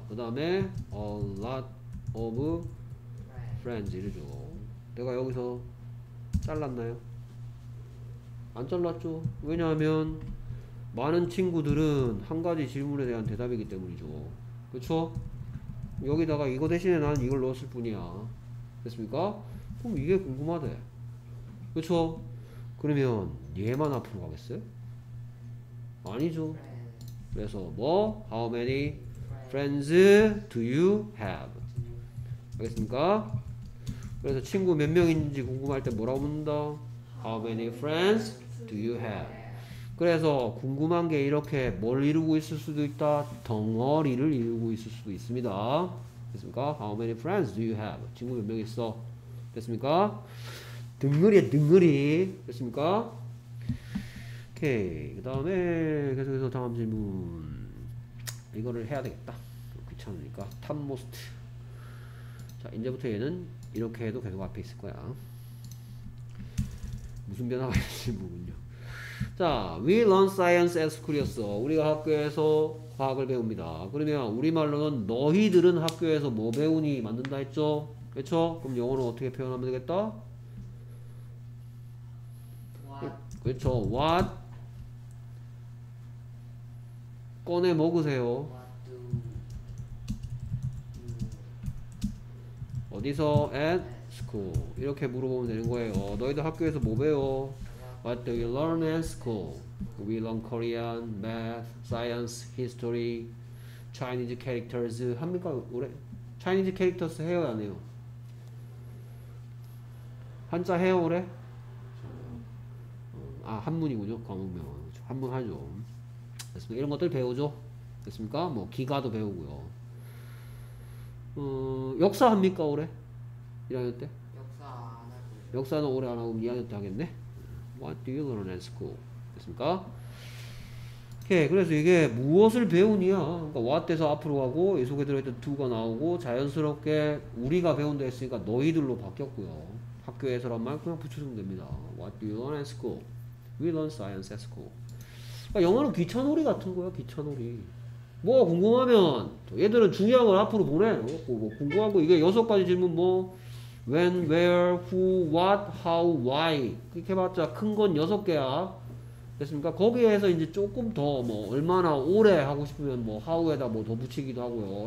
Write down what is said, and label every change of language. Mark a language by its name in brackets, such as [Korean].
[Korean] 그 다음에 [English] a lot of friends [Korean] 이래죠. 내가 여기서 잘랐나요? 안 잘랐죠. 왜냐하면 많은 친구들은 한 가지 질문에 대한 대답이기 때문이죠. 그쵸? 여기다가 이거 대신에 나는 이걸 넣었을 뿐이야. 됐습니까? 그럼 이게 궁금하대. 그쵸? 그러면 얘만 앞으로 가겠어요? 아니죠. 그래서 뭐? [English] How many friends do you have? [Korean] 알겠습니까? 그래서 친구 몇 명인지 궁금할 때 뭐라고 묻는다? [English] How many friends do you have? [Korean] 그래서 궁금한 게 이렇게 뭘 이루고 있을 수도 있다? 덩어리를 이루고 있을 수도 있습니다. 됐습니까? [English] How many friends do you have? [Korean] 친구 몇 명 있어? 됐습니까? 덩어리야, 덩어리. 됐습니까? 오케이, 그 다음에 계속해서 다음 질문. 이거를 해야 되겠다, 귀찮으니까. 탑모스트. 자, 이제부터 얘는 이렇게 해도 계속 앞에 있을 거야. 무슨 변화가 있는지 모르군요. [English] 자, we learn science at school이었어. [Korean] 우리가 학교에서 과학을 배웁니다. 그러면 우리말로는 너희들은 학교에서 뭐 배우니 만든다 했죠? 그렇죠? 그럼 영어로 어떻게 표현하면 되겠다? [English] What? [Korean] 그렇죠. What? 꺼내 먹으세요. [English] 어디서? At school. [Korean] 이렇게 물어보면 되는 거예요. 너희들 학교에서 뭐 배워? [English] What do you learn at school? We learn Korean, math, science, history, Chinese characters. [Korean] 합니까? 올해? Chinese characters 해요? 안 해요? 한자 해요? 올해? 아, 한문이군요. 광문명. 한문 하죠. 됐습니까? 이런 것들 배우죠. 됐습니까? 뭐 기가도 배우고요. 역사 합니까 올해? 1학년 때? 역사 안 하고. 역사는 올해 안 하고 2학년 때 하겠네. [English] What do you learn at school? [Korean] 됐습니까? 오케이, 그래서 이게 무엇을 배우냐? 그러니까 what 돼서 앞으로 가고, 이 속에 들어있던 do가 나오고, 자연스럽게 우리가 배운다 했으니까 너희들로 바뀌었고요. 학교에서란 말 그냥 붙여주면 됩니다. [English] What do you learn at school? We learn science at school. [Korean] 그러니까 영어는 귀찬놀이 같은 거야, 귀찬놀이. 뭐 궁금하면 얘들은 중요한 걸 앞으로 보내. 뭐 궁금한 거 이게 여섯 가지 질문 뭐 when, where, who, what, how, why 이렇게 해봤자 큰 건 여섯 개야. 됐습니까? 거기에서 이제 조금 더 뭐 얼마나 오래 하고 싶으면 뭐 how에다 뭐 더 붙이기도 하고요.